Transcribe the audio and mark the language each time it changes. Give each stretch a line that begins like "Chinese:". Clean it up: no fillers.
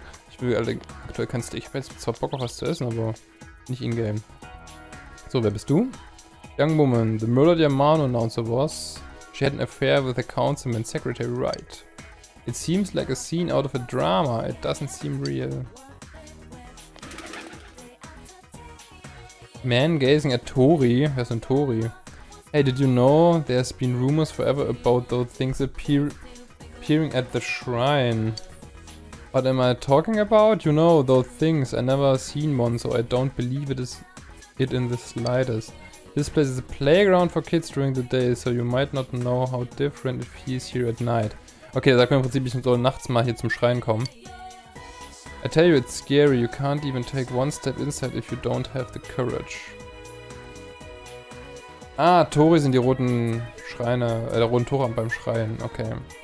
German: Ich will aktuell kein Steak. Ich hab jetzt zwar Bock auf was zu essen, aber nicht in-game. So, wer bist du?
English: Young woman, the murdered Yamano announcer was. She had an affair with the councilman, Secretary Wright. It seems like a scene out of a drama. It doesn't seem real. Man gazing at Tori.
German: Wer ist denn Tori?
English: Hey, did you know there's been rumors forever about those things appearing at the shrine? What am I talking about? You know, those things. I never seen one, so I don't believe it is it in the slightest. This place is a playground for kids during the day, so you might not know how different it feels here at night.
German: Okay, da können wir im Prinzip nicht so nachts mal hier zum Schrein kommen.
English: I tell you, it's scary. You can't even take one step inside if you don't have the courage.
German: Ah, Tori sind die roten Schreine, der roten Tore beim Schreien, okay.